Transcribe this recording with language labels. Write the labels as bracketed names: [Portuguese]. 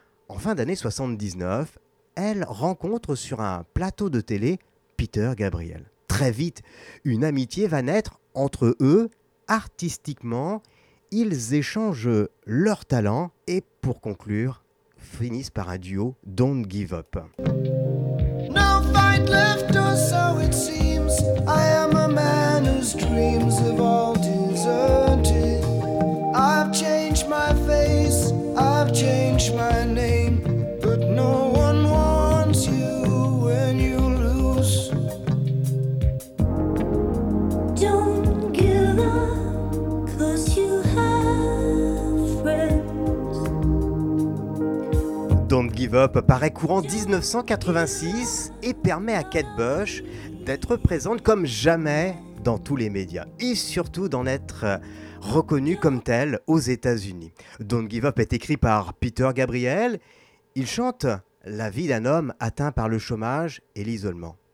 [French] En fin d'année 79, elle rencontre sur un plateau de télé Peter Gabriel. Très vite, une amitié va naître entre eux. Artistiquement, ils échangent leurs talents et pour conclure, finissent par un duo Don't Give Up. [English] No fight left or so it seems. I am a man whose dreams have all deserted. I've changed my face, I've changed my name, but no one wants you when you lose. Don't give up, cause you have friends. [French] Don't Give Up paraît courant 1986 et permet à Kate Bush d'être présente comme jamais dans tous les médias et surtout d'en être reconnue comme telle aux États-Unis. Don't Give Up est écrit par Peter Gabriel. Il chante la vie d'un homme atteint par le chômage et l'isolement.